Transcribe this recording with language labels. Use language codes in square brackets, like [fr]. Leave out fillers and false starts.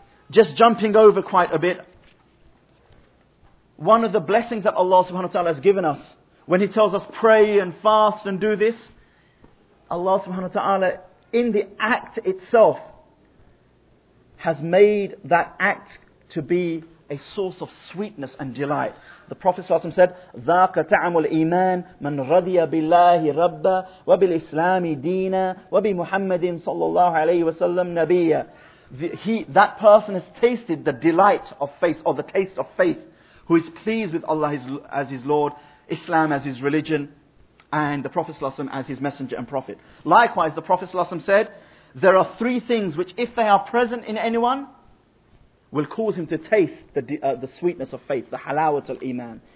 [en] Just jumping over quite a bit, one of the blessings that Allah subhanahu wa ta'ala has given us, when He tells us pray and fast and do this, Allah subhanahu wa ta'ala in the act itself has made that act to be a source of sweetness and delight. The Prophet ﷺ said, [ar] ذَاقَ تَعَمُ الْإِيمَانِ مَنْ رَضِيَ بِاللَّهِ رَبَّا وَبِالْإِسْلَامِ دِينًا وَبِمُحَمَّدٍ صَلَّى اللَّهُ عَلَيْهِ وَسَلَّمْ نَبِيًّا. [en] That person has tasted the delight of faith, or the taste of faith, who is pleased with Allah as his Lord, Islam as his religion, and the Prophet ﷺ as his messenger and prophet. Likewise, the Prophet ﷺ said, there are three things which if they are present in anyone, will cause him to taste the sweetness of faith, the halawat al-iman.